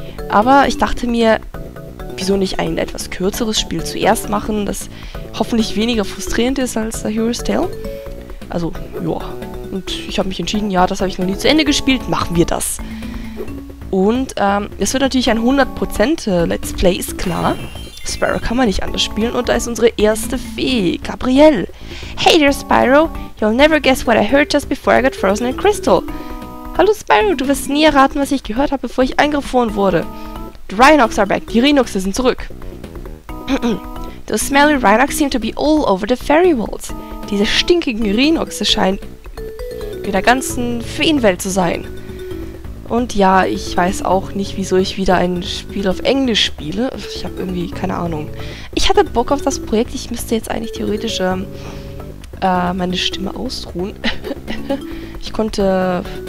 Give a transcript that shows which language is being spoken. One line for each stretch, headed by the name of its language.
German: Aber ich dachte mir, wieso nicht ein etwas kürzeres Spiel zuerst machen, das hoffentlich weniger frustrierend ist als A Hero's Tale. Also, ja. Und ich habe mich entschieden, ja, das habe ich noch nie zu Ende gespielt, machen wir das. Und es wird natürlich ein 100% Let's Play, ist klar. Spyro kann man nicht anders spielen und da ist unsere erste Fee, Gabrielle.
English: Hey there Spyro, you'll never guess what I heard just before I got frozen in crystal.
German: Hallo Spyro, du wirst nie erraten, was ich gehört habe, bevor ich eingefroren wurde.
English: The Rhinox are back,
German: die Rhinoxe sind zurück.
English: Those smelly Rhinox seem to be all over the fairy world.
German: Diese stinkigen Rhinoxe scheinen in der ganzen Feenwelt zu sein. Und ja, ich weiß auch nicht, wieso ich wieder ein Spiel auf Englisch spiele. Ich habe irgendwie keine Ahnung. Ich hatte Bock auf das Projekt. Ich müsste jetzt eigentlich theoretisch meine Stimme ausruhen. Ich konnte...